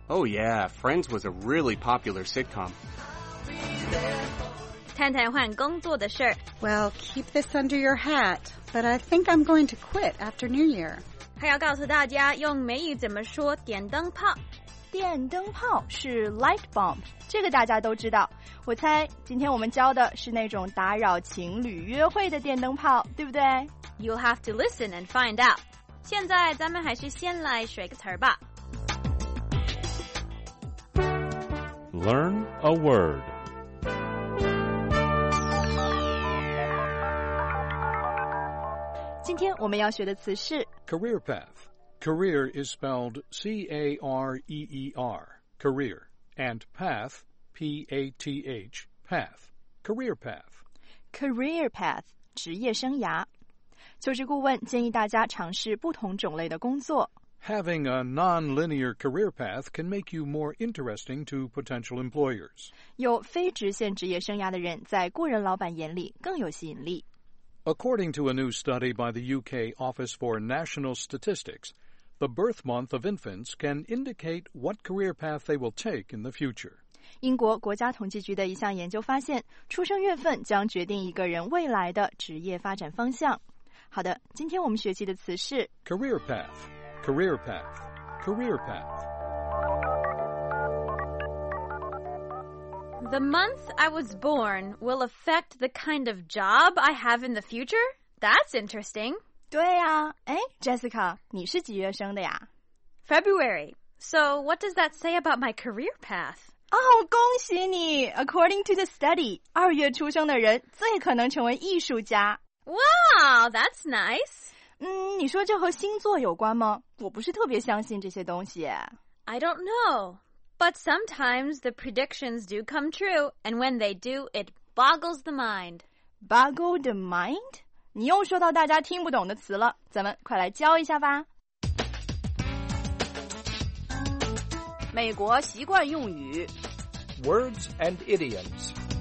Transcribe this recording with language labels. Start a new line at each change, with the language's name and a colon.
English: Oh yeah, Friends was a really popular sitcom.
Chinese: 探探换工作的事。
English: Well, keep this under your hat, but I think I'm going to quit after New Year.
Chinese: 还要告诉大家用美语怎么说电灯泡。电灯泡是 light bulb， 这个大家都知道。我猜今天我们教的是那种打扰情侣约会的电灯泡，对不对？
English: You'll have to listen and find out。
Chinese: 现在咱们还是先来学个词吧。
English: Learn a word。
Chinese: 今天我们要学的词是
English: Career path. Career is spelled C-A-R-E-E-R, career, and path, P-A-T-H, path, career path.
Chinese: Career path, 职业生涯。求职顾问建议大家尝试不同种类的工作。
English: Having a non-linear career path can make you more interesting to potential employers.
Chinese: 有非直线职业生涯的人在雇人老板眼里更有吸引力。
English: According to a new study by the UK Office for National Statistics, the birth month of infants can indicate what career path they will take in the future.
Chinese: 英国国家统计局的一项研究发现，出生月份将决定一个人未来的职业发展方向。好的，今天我们学习的词是
English: career path, career path, career path. The month I was born will affect the kind of job I have in the future? That's interesting.
Chinese: 对呀、啊，哎 ，Jessica， 你是几月生的呀
English: ？February. So what does that say about my career path?
Chinese: 哦，恭喜你 ！
English: According to the study,
Chinese: 二月出生的人最可能成为艺术家。
English: Wow, that's nice.
Chinese: 嗯，你说这和星座有关吗？我不是特别相信这些东西。
English: I don't know. But sometimes the predictions do come true, and when they do, it boggles the mind. Boggle the mind?
Chinese: 你又说到大家听不懂的词了，咱们快来教一下吧。美国习惯用语。
English: Words and idioms.